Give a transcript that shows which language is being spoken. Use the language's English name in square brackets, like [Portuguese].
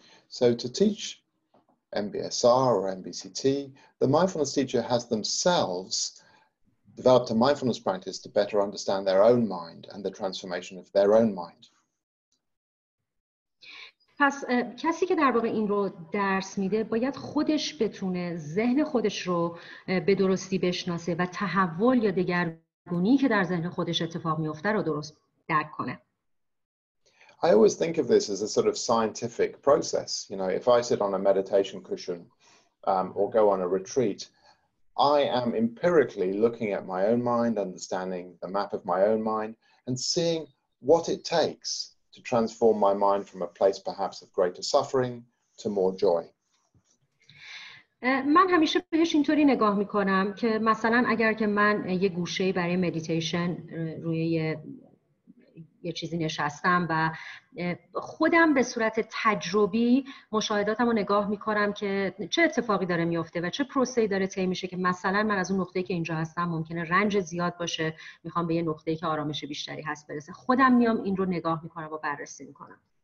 [English] So to teach MBSR or MBCT, the mindfulness teacher has themselves developed a mindfulness practice to better understand their own mind and the transformation of their own mind. [Persian] پس کسی که در واقع این رو درس میده باید خودش بتونه ذهن خودش رو به درستی بشناسه و تحول یا دیگر گونی که در ذهن خودش اتفاق میفته رو درست درک کنه. [English] I always think of this as a sort of scientific process. You know, if I sit on a meditation cushion or go on a retreat, I am empirically looking at my own mind, understanding the map of my own mind, and seeing what it takes to transform my mind from a place perhaps of greater suffering to more joy. [Persian] من همیشه بهش اینطوری نگاه میکنم که مثلا اگر که من یه گوشه برای مدیتیشن روی یه چیزی نشستم و خودم به صورت تجربی مشاهداتم رو نگاه میکنم که چه اتفاقی داره میفته و چه پروسه‌ای داره طی میشه که مثلا من از اون نقطه‌ای که اینجا هستم ممکنه رنج زیاد باشه میخوام به یه نقطه‌ای که آرامش بیشتری هست برسه، خودم میام این رو نگاه میکنم و بررسی میکنم.